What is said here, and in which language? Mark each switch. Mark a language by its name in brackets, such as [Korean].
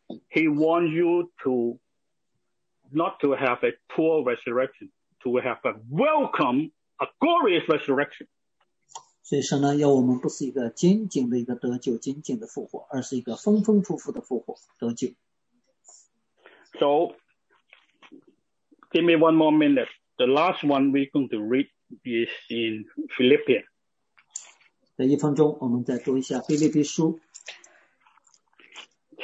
[English] He wants you to not to have a poor resurrection, to have a welcome, a glorious resurrection. [Chinese] 所以说呢，要我们不是一个仅仅的一个得救，仅仅的复活，而是一个丰丰富富的复活得救。 [English] So, give me one more minute. The last one we're going to read is in Philippians. [Chinese] 在一分钟，我们再读一下《腓立比书》